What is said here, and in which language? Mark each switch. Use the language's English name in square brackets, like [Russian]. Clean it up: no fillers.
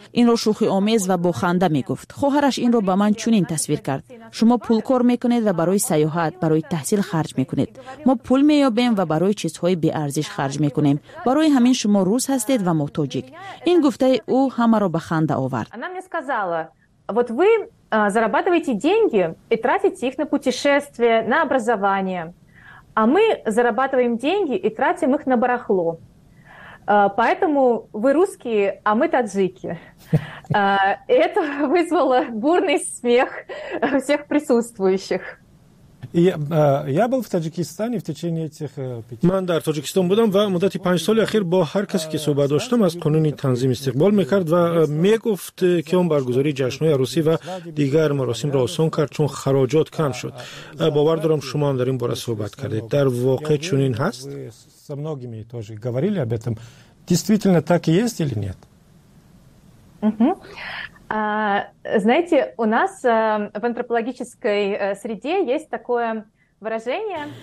[Persian] این را شوخی آمیز و بخنده می گفت. خواهرش این را به من چنین تصویر کرد. شما پول کار می کنید و برای سیاحت، برای تحصیل خرج می کنید. ما پول می یابیم و برای چیزهای بی ارزش خرج می کنیم. برای همین شما روس هستید و ما تاجیک. این گفته او همه را بخنده آورد. [Russian] Она мне сказала: "Вот вы зарабатываете деньги и тратите их на путешествия, на образование. А мы зарабатываем деньги и тратим их на барахло. Поэтому вы русские, а мы таджики". Это вызвало бурный смех всех присутствующих. Я был в Таджикистане в течение этих 5. [Tajik] Ман дар Таджикистан будам ва муддати 5 соли ахир бо ҳар касе ки суҳбат доштам аз қонуни танзим истиқбол мекард ва мегуфт ки он баргузори ҷашнҳои арусӣ ва дигар маросимро осон кард чун хароҷот кам шуд. Бовар дорам шумо ҳам дар ин бора суҳбат кардед. Дар воқеъ чунин ҳаст? [Russian] Со многими тоже говорили об этом. Действительно так и есть или нет? Знаете, у нас в антропологической среде есть такое выражение.